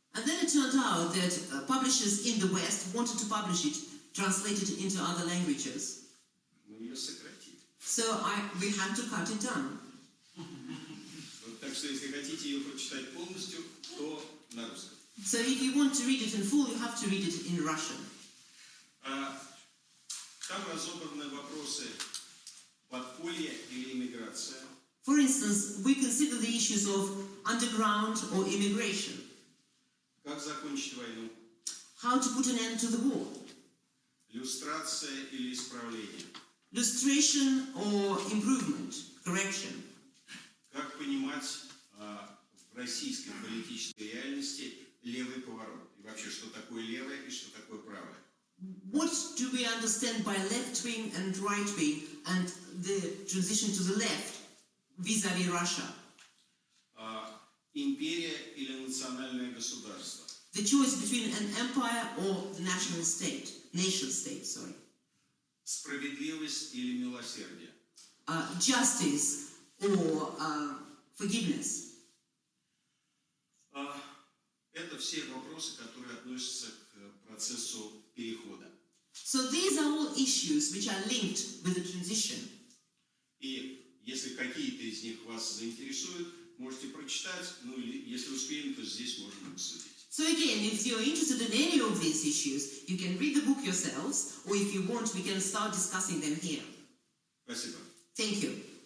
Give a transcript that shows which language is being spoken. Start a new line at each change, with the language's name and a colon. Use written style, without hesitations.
English: And then it turned out that publishers in the West wanted to publish it translated into other languages.
Russian: Мы ее сократили.
English: So we had to cut it down.
Russian: Так что если хотите ее прочитать полностью, то на русском.
English: So if you want to read it in full, you have to read it in Russian.
Russian: Там разобраны вопросы подполья или иммиграция.
English: For instance, we consider the issues of underground or immigration.
Russian: Как закончить войну?
English: How to put an end to the war?
Russian: Люстрация или исправление?
English: Lustration or improvement, correction.
Russian: Как понимать в российской политической реальности левый поворот? И вообще, что такое левое и что такое правое?
English: What do we understand by left-wing and right-wing and the transition to the left vis-à-vis Russia?
Russian: Империя или национальное государство?
English: The choice between an empire or the national state. Nation state, sorry.
Russian: Справедливость или милосердие?
English: Justice or forgiveness.
Russian: Это все вопросы, которые относятся к процессу перехода.
English: So these are all issues which are linked with the transition.
Russian: И если какие-то из них вас заинтересуют, можете прочитать, ну или если успеем, то здесь можем обсудить.
English: So again, if you're interested in any of these issues, you can read the book yourselves, or if you want, we can start discussing them here.
Russian: Спасибо.
English: Thank you.